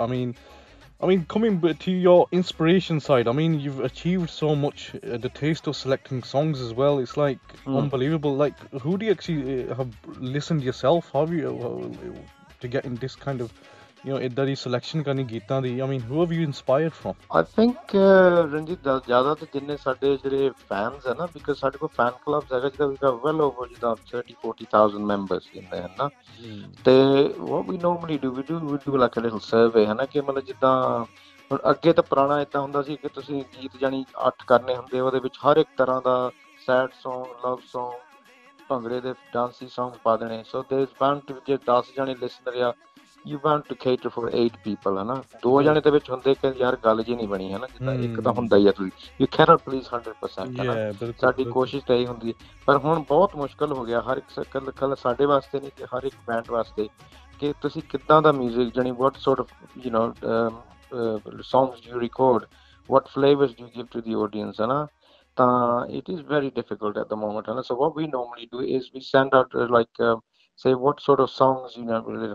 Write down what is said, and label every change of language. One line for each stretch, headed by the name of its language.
English: I mean coming to your inspiration side, I mean, you've achieved so much, the taste of selecting songs as well, it's like unbelievable, like who do you actually have listened yourself, how have you to get in this kind of
Punjabi: ਇਦਾਂ ਦੀ selection ਕਰਨੀ ਗੀਤਾਂ ਦੀ?
English: I mean who have you inspired from?
Punjabi: I think Ranjit ਦਾ ਜ਼ਿਆਦਾ ਤੇ ਜਿੰਨੇ ਸਾਡੇ ਜਿਹੜੇ fans ਹੈ ਨਾ, ਬਿਕੋਜ਼ ਸਾਡੇ ਕੋਲ ਫੈਨ ਕਲੱਬਸ ਹੈਗਾ ਜਿਹਦਾ ਵੀ ਵੈਲ ਓਵਰ ਜਿੱਦਾਂ 30-40,000 ਮੈਂਬਰਸ ਕਹਿੰਦੇ ਹੈ ਨਾ, ਤੇ
English: what we normally do we do like a little survey
Punjabi: ਹੈ ਨਾ ਕਿ ਮਤਲਬ ਜਿੱਦਾਂ ਹੁਣ ਅੱਗੇ ਤਾਂ ਪੁਰਾਣਾ ਇੱਦਾਂ ਹੁੰਦਾ ਸੀ ਕਿ ਤੁਸੀਂ ਗੀਤ ਜਾਣੀ 8 ਕਰਨੇ ਹੁੰਦੇ, ਉਹਦੇ ਵਿੱਚ ਹਰ ਇੱਕ ਤਰ੍ਹਾਂ ਦਾ ਸੈਡ ਸੌਂਗ, ਲਵ ਸੌਂਗ, ਭੰਗੜੇ ਦੇ ਡਾਂਸੀ ਸੌਂਗ ਪਾ ਦੇਣੇ.
English: so there is bound to be
Punjabi: J 10 ਜਾਣੇ ਲਿਸਨਰ ਆ,
English: You bound to cater for 8 people ਹੈ ਨਾ.
Punjabi: ਦੋ ਜਾਣੇ ਦੇ ਵਿੱਚ ਹੁੰਦੇ ਕਿ ਯਾਰ ਗੱਲ ਜੀ ਨਹੀਂ ਬਣੀ ਹੈ ਨਾ, ਜਿੱਦਾਂ ਇੱਕ ਤਾਂ ਹੁੰਦਾ ਹੀ ਆ ਤੁਸੀਂ
English: you can not please
Punjabi: 100%. ਸਾਡੀ ਕੋਸ਼ਿਸ਼ ਤਾਂ ਇਹ ਹੀ ਹੁੰਦੀ ਹੈ, ਪਰ ਹੁਣ ਬਹੁਤ ਮੁਸ਼ਕਲ ਹੋ ਗਿਆ ਹਰ ਇੱਕ ਕੱਲ ਸਾਡੇ ਵਾਸਤੇ ਨਹੀਂ ਕਿ ਹਰ ਇੱਕ ਬੈਂਡ ਵਾਸਤੇ ਕਿ ਤੁਸੀਂ ਕਿੱਦਾਂ ਦਾ ਮਿਊਜ਼ਿਕ ਜਾਣੀ
English: what sort of you know songs you record, what flavours you give to the audience
Punjabi: ਹੈ ਨਾ.
English: It is very difficult at the moment. And so what we normally do is we send out like, say what sort of songs, you know, really.